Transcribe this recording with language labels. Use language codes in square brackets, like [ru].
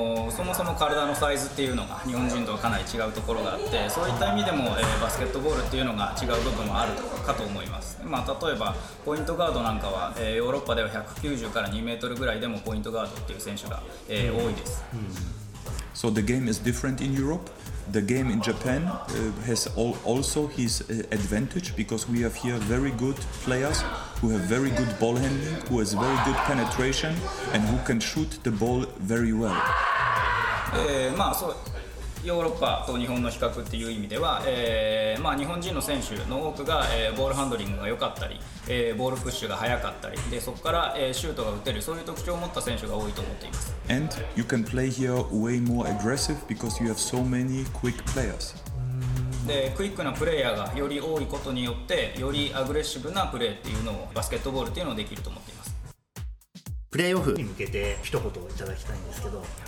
[ja] そもそも体のサイズっていうのが日本人とはかなり違うところがあってそういった意味でも、バスケットボールっていうのが違う部分もあるかと思います。まあ、例えばポイントガードなんかは、ヨーロッパでは190から2メートルぐらいでもポイントガードっていう選手が、多いです。 [en] So the game is different in Europe. The game in Japan has also his advantage because we have here very good playerswho have very good ball handling, who has very good penetration, and who can shoot the ball very well. [ja] そうヨーロッパと日本の比較っていう意味では、日本人の選手の多くが、ボールハンドリングが良かったり、ボールプッシュが速かったり、でそこから、シュートが打てる、そういう特徴を持った選手が多いと思っています。 [en] And you can play here way more aggressive because you have so many quick players. [ja] でクイックなプレイヤーがより多いことによってよりアグレッシブなプレーっていうのをバスケットボールっていうのをできると思っています。プレーオフに向けて一言いただきたいんですけど、